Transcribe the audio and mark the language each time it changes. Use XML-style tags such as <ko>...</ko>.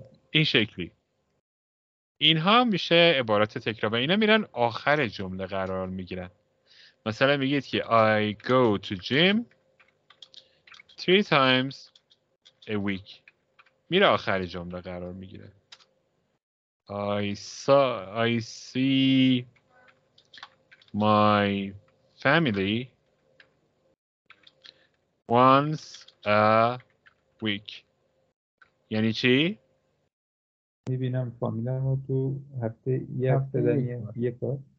<fa>این شکلی. اینها میشه عبارات تکرار و اینا میرن آخر جمله قرار میگیرن. مثلا میگید که</fa> <en>I go to gym three times a week،</en> <fa>میره آخر جمله قرار میگیره.</fa> <en>I see my family once a week.</en> <fa>یعنی چی؟ میبینم فامیلم رو تو هفته یه هفته در یک بار.</fa>